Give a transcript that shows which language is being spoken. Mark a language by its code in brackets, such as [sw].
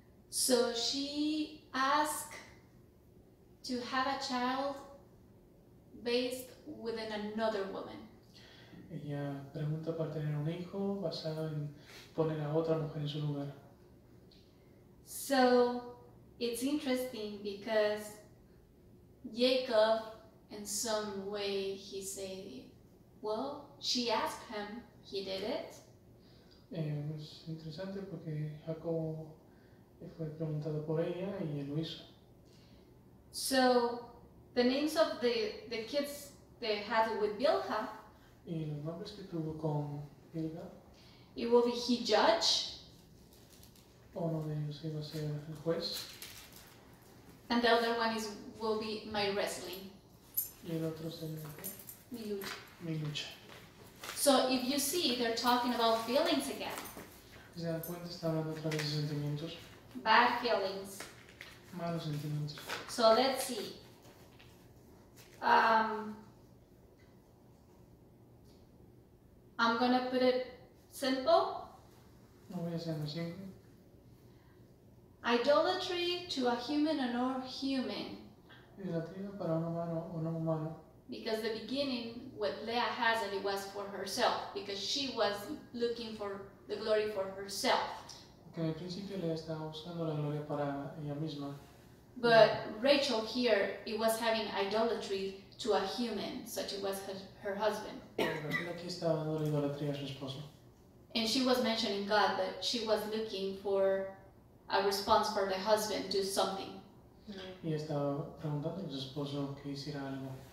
[en] So she asked to have a child based within another woman. [es] Ella pregunta para tener un hijo basado en poner a otra mujer en su lugar. [en] So it's interesting because Jacob, in some way, he said, well, she asked him, he did it. [es] Es interesante porque Jacob fue preguntado por ella y él lo hizo. [en] So the names of the kids they had with Bilha. [es] Y los nombres que tuvo con Bilha. [en] It will be he judge. [es] Uno de ellos iba a ser el juez. [en] And the other one is will be my wrestling. [es] Y el otro sería ¿qué? Mi lucha. Mi lucha. [en] So if you see, they're talking about feelings again. [es] ¿Se dan cuenta? Está hablando otra vez de sentimientos. [en] Bad feelings. [es] Malos sentimientos. [en] So let's see. I'm gonna put it simple. [es] No voy a ser muy simple. [en] Idolatry to a human or non-human. [es] Idolatría para un humano o no humano. [en] Because the beginning, what Leah has, it was for herself, because she was looking for the glory for herself. [es] Que en el principio Leah estaba buscando la gloria para ella misma. [en] But Rachel here, it was having idolatry to a human, such it was her husband. [es] Aquí estaba dando idolatría a su esposo. [en] And she was mentioning God, that she was looking for a response for the husband to something. [es] Y estaba preguntando a su esposo que hiciera algo.